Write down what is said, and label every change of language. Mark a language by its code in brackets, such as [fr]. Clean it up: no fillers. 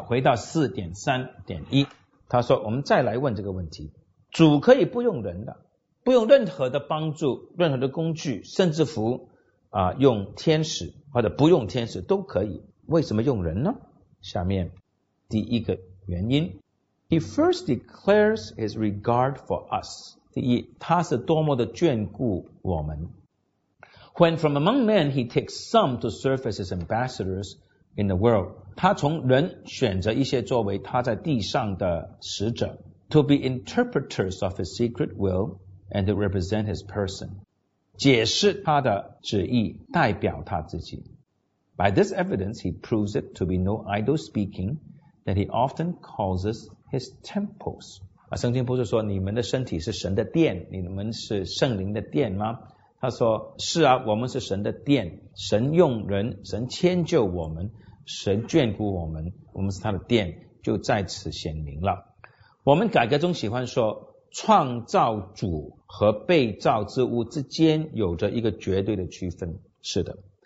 [zh] 回到 4.3.1， 他说我们再来问这个问题，主可以不用人的，不用任何的帮助，任何的工具，甚至乎用天使或者不用天使都可以，为什么用人呢？下面第一个原因， [en] He first declares his regard for us。 [zh] 第一，他是多么的眷顾我们。 [en] When from among men he takes some to serve as his ambassadors in the world， [zh] 他从人选择一些作为他在地上的使者， [en] to be interpreters of his secret will and to represent his person， [zh] 解释他的旨意，代表他自己。 [en] By this evidence he proves it to be no idle speaking that he often causes his temples。 [zh] 圣经不是说你们的身体是神的殿，你们是圣灵的殿吗？他说是啊，我们是神的殿，神用人，神迁就我们，神眷顾我们，我们是他的殿，就在此显明了。我们改革中喜欢说创造主和被造之物之间有着一个绝对的区分，是的。